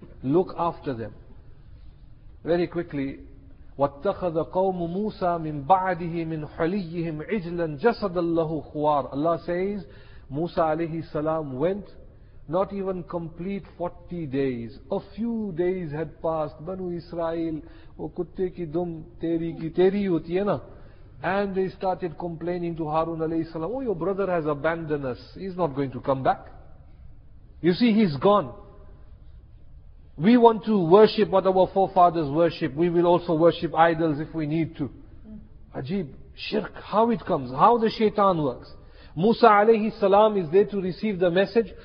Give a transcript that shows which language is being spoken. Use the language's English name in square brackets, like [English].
[English] Look after them very quickly. [Arabic] وَاتَّخَذَ قَوْمُ مُوسَى مِنْ بَعْدِهِ مِنْ حُلِيِّهِمْ عِجْلًا جَسَدَ اللَّهُ خُوَارًا. [English] Allah says, Musa alayhi salam went, not even complete 40 days. A few days had passed. [Urdu] Banu Israel, وہ کتے کی دم تیری کی تیری ہوتی ہے نا. [English] And they started complaining to Harun alayhi salam, oh, your brother has abandoned us. He's not going to come back. You see, he's gone. We want to worship what our forefathers worship. We will also worship idols if we need to. Ajib, shirk, how it comes, how the shaitan works. Musa alayhi salam is there to receive the message.